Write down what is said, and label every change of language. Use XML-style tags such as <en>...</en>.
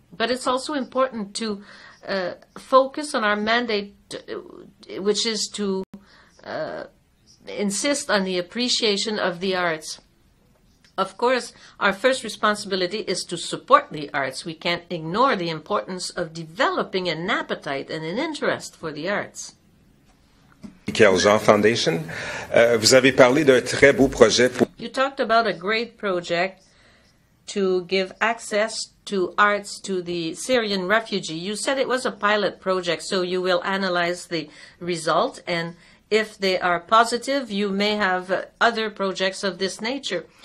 <en>But it's also important to focus on our mandate, which is to insist on the appreciation of the arts. Of course, our first responsibility is to support the arts. We can't ignore the importance of developing an appetite and an interest for the arts.</en> <fr>Michael Jean Foundation, vous avez parlé d'un très beau projet pour...</fr> <en>You talked about a great project to give access to arts to the Syrian refugee. You said it was a pilot project, so you will analyze the result, and if they are positive, you may have other projects of this nature.</en>